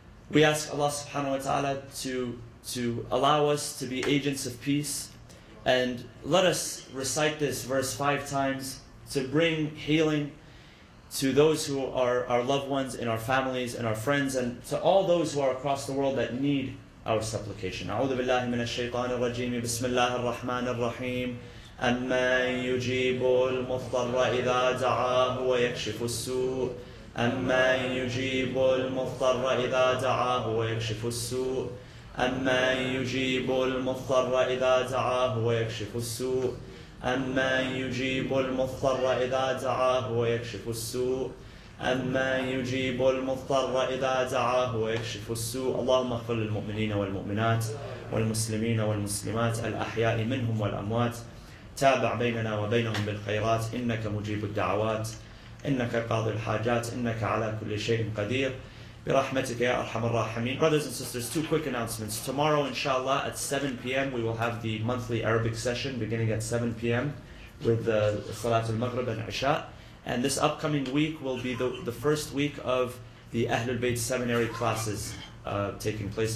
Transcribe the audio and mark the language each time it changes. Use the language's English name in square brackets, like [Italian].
[English] We ask Allah subhanahu wa ta'ala to allow us to be agents of peace. And let us recite this verse 5 times to bring healing to those who are our loved ones, in our families, and our friends, and to all those who are across the world that need our supplication. [Arabic] A'udhu billahi minash shaitanir rajeem. Bismillah ar-Rahman ar-Rahim. Amman yujibul muhtarra idha da'ahu wa yakshifu al-su' Amman yujibul muhtarra idha da'ahu wa yakshifu al-su' Amman yujibul muhtarra idha da'ahu wa yakshifu al-su' أمن يجيب المضطر إذا دعاه ويكشف السوء أمن يجيب المضطر إذا دعاه ويكشف السوء اللهم اغفر للمؤمنين والمؤمنات والمسلمين والمسلمات الأحياء منهم والأموات تابع بيننا وبينهم بالخيرات إنك مجيب الدعوات إنك قاضي الحاجات إنك على كل شيء قدير برحمتك يا أرحم الراحمين. [English] Brothers and sisters, 2 quick announcements. Tomorrow, inshallah, at 7 p.m., we will have the monthly Arabic session beginning at 7 p.m. with the Salatul Maghrib and Isha. And this upcoming week will be the first week of the Ahlul Bayt seminary classes taking place.